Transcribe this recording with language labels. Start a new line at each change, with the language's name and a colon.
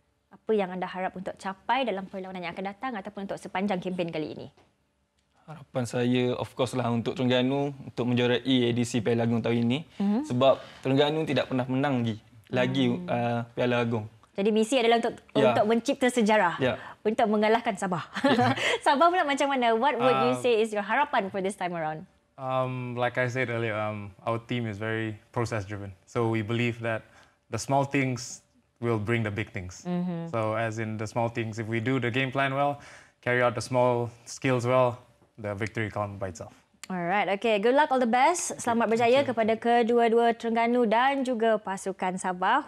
Malay: Apa yang anda harap untuk capai dalam perlawanan yang akan datang ataupun untuk sepanjang kempen kali ini? Harapan saya,
English: of course
Malay: lah, untuk Terengganu untuk menjuarai edisi Piala Agong tahun ini. Mm-hmm. Sebab Terengganu tidak pernah menang lagi Piala Agong. Jadi misi adalah untuk untuk mencipta sejarah. Untuk mengalahkan Sabah. Sabah pula macam mana?
English: What would you say is your harapan for this time around? Like I said earlier, our team is very process driven. So we believe that the small things will bring the big things. Mm-hmm. So as in the small things, if we do the game plan well, carry out the small skills well, the victory come by itself. Alright, okay. Good luck, all the best.
Malay: Selamat berjaya kepada kedua-dua Terengganu dan juga pasukan Sabah.